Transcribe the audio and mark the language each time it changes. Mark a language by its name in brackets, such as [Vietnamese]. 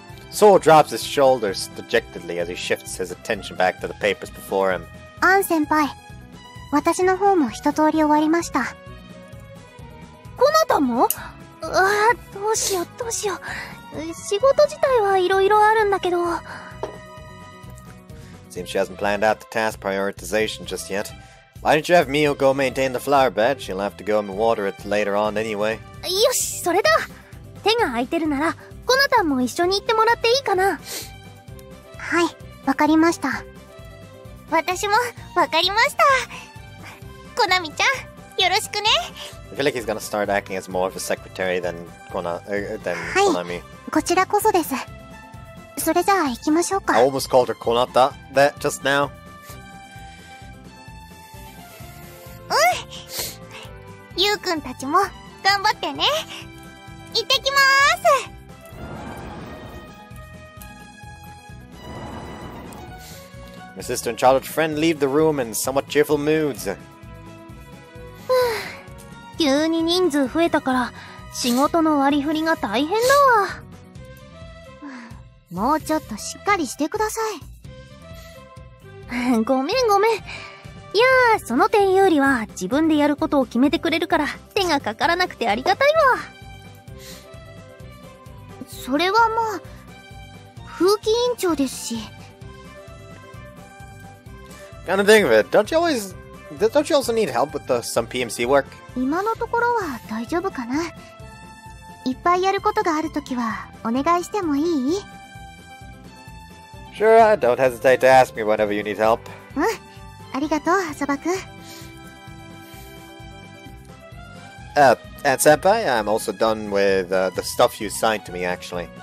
[English] Saw drops his shoulders dejectedly as he shifts his attention back to the papers before him. [Japanese] An senpai, 私の方も一通り終わりました。 Konata も？ああ、どうしよう、どうしよう。仕事自体はいろいろあるんだけど。 [English] Seems she hasn't planned out the task prioritization just yet. Why don't you have Mio go maintain the flower bed? She'll have to go and water it later on anyway. [Japanese] よし、それだ。手が空いてるなら。コナタンも一緒に行ってもらっていいかな。はい、わかりました。私もわかりました。コナミちゃん、よろしくね。 [English] I feel like he's gonna start acting as more of a secretary than Konami. [Japanese] はい、 Konami. こちらこそです。それじゃあ行きましょうか。 [English] I almost called her Konata that just now. [Japanese] うん、ユウくんたちも頑張ってね。行ってきます。 [English] My sister and childhood friend leave the room in somewhat cheerful moods. [Japanese] 急に人数増えたから仕事の割り振りが大変だわ。もうちょっとしっかりしてください。ごめんごめん。いやー、その点ユーリは自分でやることを決めてくれるから手がかからなくてありがたいわ。それはまあ、風紀委員長ですし。 [English] Kind of thing of it. Don't you also need help with some PMC work? [Japanese] 今のところは大丈夫かな。いっぱいやることがあるときはお願いしてもいい？ [English] Sure, don't hesitate to ask me whenever you need help. [Japanese] うん、ありがとう、サバ君。 [English] And senpai, I'm also done with the stuff you signed to me, actually.